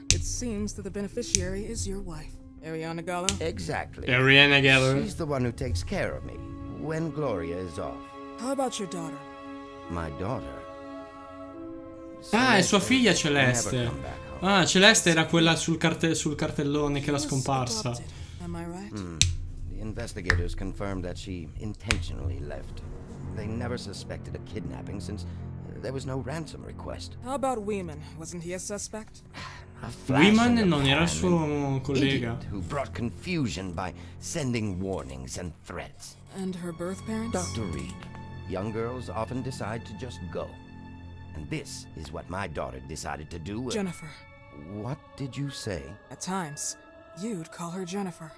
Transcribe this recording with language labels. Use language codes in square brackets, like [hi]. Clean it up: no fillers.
[en] It seems that the beneficiary is your wife, Arianna Gallo. Exactly. Arianna Gallo. She's the one who takes care of me when Gloria is off. How about your daughter? My daughter. [it] Ah, è sua figlia Celeste. Ah, Celeste era quella sul cartellone che era scomparsa. [en] Am I right? Investigators confirmed that she intentionally left. They never suspected a kidnapping since there was no ransom request. How about Weeman? Wasn't he a suspect? [it] Weeman non era suo collega. [en] Who brought confusion by sending warnings and threats. And her birth parents? Dr. Reed, young girls often decide to just go. And this is what my daughter decided to do with... Jennifer. What did you say? At times, you'd call her Jennifer.